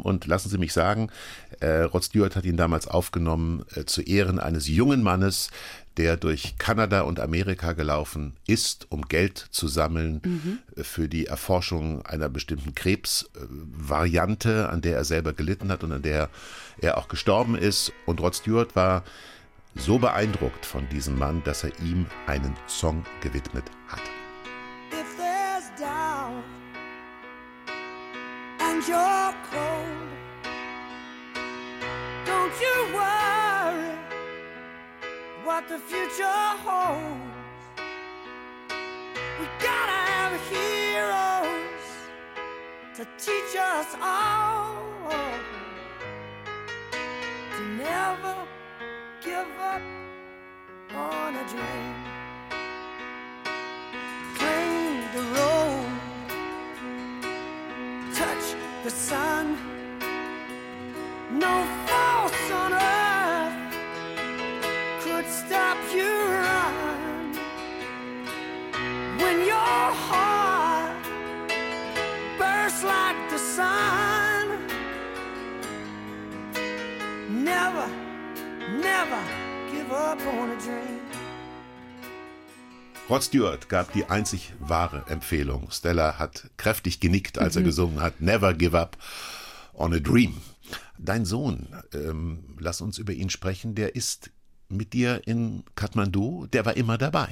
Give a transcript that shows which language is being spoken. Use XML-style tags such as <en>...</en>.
<de>Und lassen Sie mich sagen, Rod Stewart hat ihn damals aufgenommen zu Ehren eines jungen Mannes, der durch Kanada und Amerika gelaufen ist, um Geld zu sammeln für die Erforschung einer bestimmten Krebsvariante, an der er selber gelitten hat und an der er auch gestorben ist. Und Rod Stewart war so beeindruckt von diesem Mann, dass er ihm einen Song gewidmet hat.</de> <en>If there's doubt and you're cold, don't you worry what the future holds. We gotta have heroes to teach us all to never give up on a dream. Claim the road, touch the sun. No force on earth could stop you run. When your heart bursts like the sun, never, never give up on a dream.</en> <de>Rod Stewart gab die einzig wahre Empfehlung. Stella hat kräftig genickt, als er gesungen hat, Never Give Up on a Dream. Dein Sohn, lass uns über ihn sprechen, der ist mit dir in Kathmandu, der war immer dabei.</de>